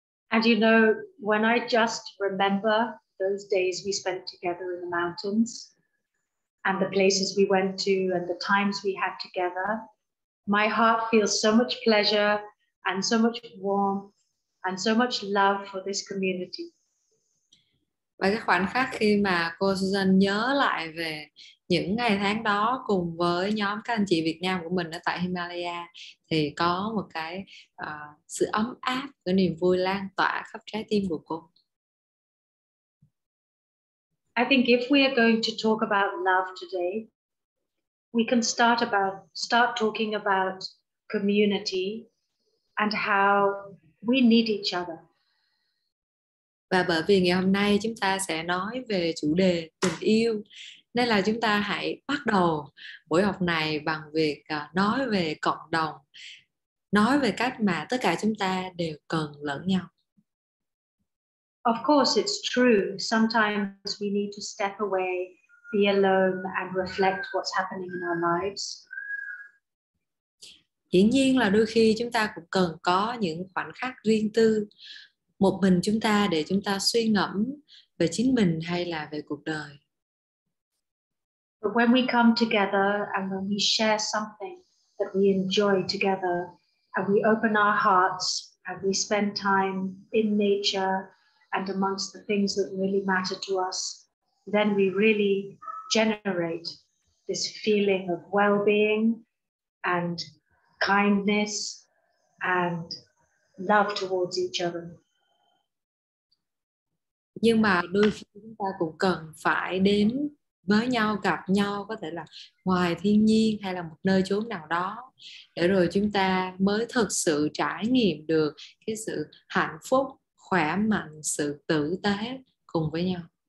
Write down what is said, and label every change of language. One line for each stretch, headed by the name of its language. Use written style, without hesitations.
English: And you know, when I just remember those days we spent together in the mountains and the places we went to and the times we had together, my heart feels so much pleasure and so much warmth and so much love for this community.
Vietnamese: Và cái khoảnh khắc khi mà cô Susan nhớ lại về những ngày tháng đó cùng với nhóm các anh chị Việt Nam của mình ở tại Himalaya, thì có một cái sự ấm áp, cái niềm vui lan tỏa khắp trái tim của cô.
English: I think if we are going to talk about love today, we can start talking about community and how we need each other.
Vietnamese: Và bởi vì ngày hôm nay chúng ta sẽ nói về chủ đề tình yêu, nên là chúng ta hãy bắt đầu buổi học này bằng việc nói về cộng đồng, nói về cách mà tất cả chúng ta đều cần lẫn nhau.
English: Of course, it's true. Sometimes we need to step away, be alone, and reflect what's happening in our lives.
Vietnamese: Dĩ nhiên là đôi khi chúng ta cũng cần có những khoảnh khắc riêng tư một mình chúng ta để chúng ta suy ngẫm về chính mình hay là về cuộc đời.
English: But when we come together and when we share something that we enjoy together and we open our hearts and we spend time in nature and amongst the things that really matter to us, then we really generate this feeling of well-being and kindness and love towards each other.
Vietnamese: Nhưng mà đôi khi chúng ta cũng cần phải đến với nhau, gặp nhau, có thể là ngoài thiên nhiên hay là một nơi chốn nào đó, để rồi chúng ta mới thực sự trải nghiệm được cái sự hạnh phúc, khỏe mạnh, sự tử tế cùng với nhau.